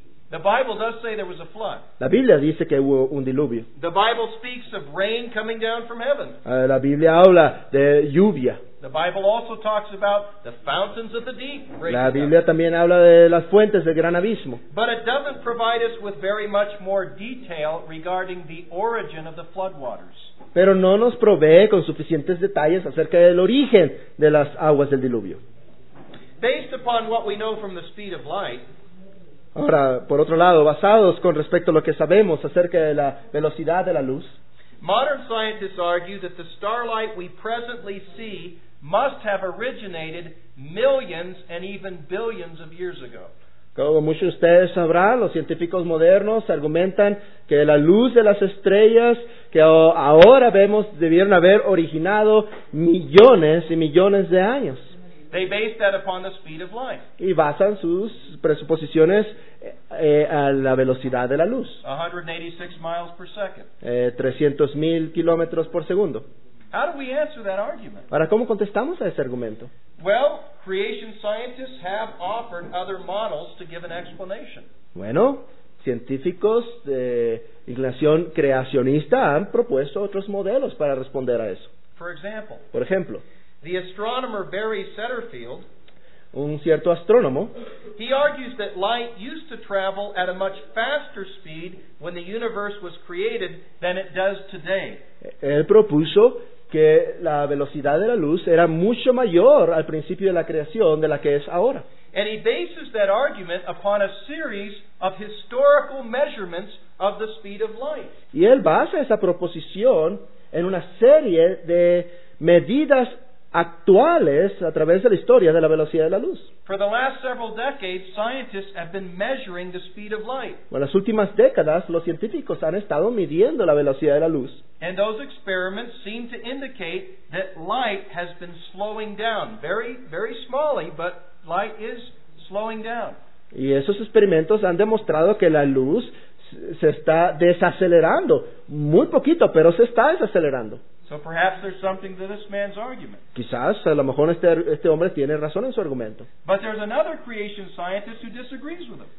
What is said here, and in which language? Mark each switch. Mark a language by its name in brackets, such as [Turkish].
[English] The Bible does say there was a flood. [Spanish] La Biblia dice que hubo un diluvio. [English] The Bible speaks of rain coming down from heaven. [Spanish] La Biblia habla de lluvia. [English] The Bible also talks about the fountains of the deep. [Spanish] La Biblia también habla de las fuentes del gran abismo. [English] But it doesn't provide us with very much more detail regarding the origin of the floodwaters. [Spanish] Pero no nos provee con suficientes detalles acerca del origen de las aguas del diluvio. [English] Based upon what we know from the speed of light. [Spanish] Ahora, por otro lado, basados con respecto a lo que sabemos acerca de la velocidad de la luz, [English] modern scientists argue that the starlight we presently see must have originated millions and even billions of years ago. [Spanish] Como muchos de ustedes sabrán, los científicos modernos argumentan que la luz de las estrellas que ahora vemos debieron haber originado millones y millones de años. [English] They base that upon the speed of light. [Spanish] Y basan sus presuposiciones a la velocidad de la luz. [English] 186 miles per second. [Spanish] 300,000 kilómetros por segundo. [English] How do we answer that argument? [Spanish] Ahora, ¿cómo contestamos a ese argumento? [English] Well, creation scientists have offered other models to give an explanation. [Spanish] Bueno, científicos de inclinación creacionista han propuesto otros modelos para responder a eso. [English] For example. [Spanish] Por ejemplo. [English] The astronomer Barry Setterfield, [Spanish] un cierto astrónomo, [English] he argues that light used to travel at a much faster speed when the universe was created than it does today. [Spanish] Él propuso que la velocidad de la luz era mucho mayor al principio de la creación de la que es ahora. [English] And he bases that argument upon a series of historical measurements of the speed of light. [Spanish] Y él basa esa proposición en una serie de medidas actuales a través de la historia de la velocidad de la luz. [English] For the last several decades, scientists have been measuring the speed of light. [Spanish] En las últimas décadas, los científicos han estado midiendo la velocidad de la luz. [English] And those experiments seem to indicate that light has been slowing down. Very, very smallly, but light is slowing down. [Spanish] Y esos experimentos han demostrado que la luz se está desacelerando, muy poquito, pero se está desacelerando. [English] So perhaps there's something to this man's argument. [Spanish] Quizás a lo mejor este hombre tiene razón en su argumento. [English] But there's another creation scientist who disagrees with him.